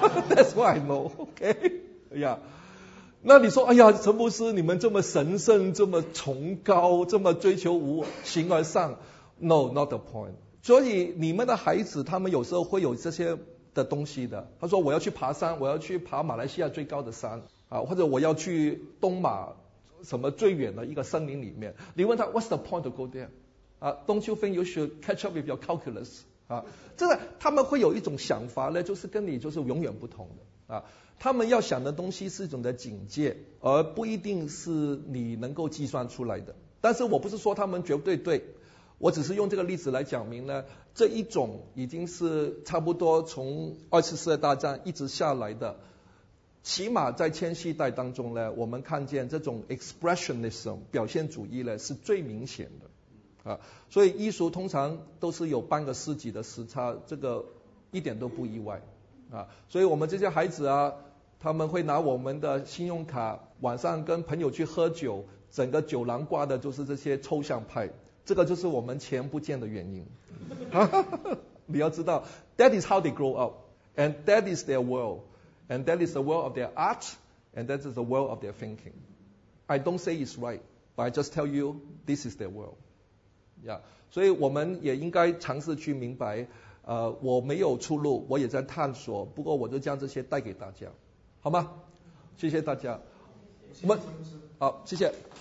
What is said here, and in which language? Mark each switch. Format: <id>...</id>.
<en>That's what I know. Okay. Yeah.</en> <zh>那你说，哎呀，陈牧师，你们这么神圣，这么崇高，这么追求无形而上 ，</zh> <en>No, not the point。</en> <zh>所以你们的孩子，他们有时候会有这些的东西的。他说，我要去爬山，我要去爬马来西亚最高的山啊，或者我要去东马什么最远的一个森林里面。你问他</zh> <en>，What's the point to go there？啊 ，Don't you think you should catch up with your calculus？</en> <zh>啊，真的，他们会有一种想法呢，就是跟你就是永远不同的啊。他们要想的东西是一种的境界，而不一定是你能够计算出来的。但是我不是说他们绝对对，我只是用这个例子来讲明呢，这一种已经是差不多从2次世界大战一直下来的，起码在千禧代当中呢，我们看见这种 expressionism 表现主义呢是最明显的啊。所以艺术通常都是有半个世纪的时差，这个一点都不意外。啊，所以我们这些孩子啊，他们会拿我们的信用卡晚上跟朋友去喝酒，整个酒廊挂的就是这些抽象派，这个就是我们钱不见的原因。你要知道</zh> <en>that is how they grow up and that is their world and that is the world of their art and that is the world of their thinking. I don't say it's right, but I just tell you this is their world. Yeah.</en> <zh>所以我们也应该尝试去明白，我没有出路，我也在探索，不过我就将这些带给大家，好吗？谢谢大家。我们好，谢谢。</zh>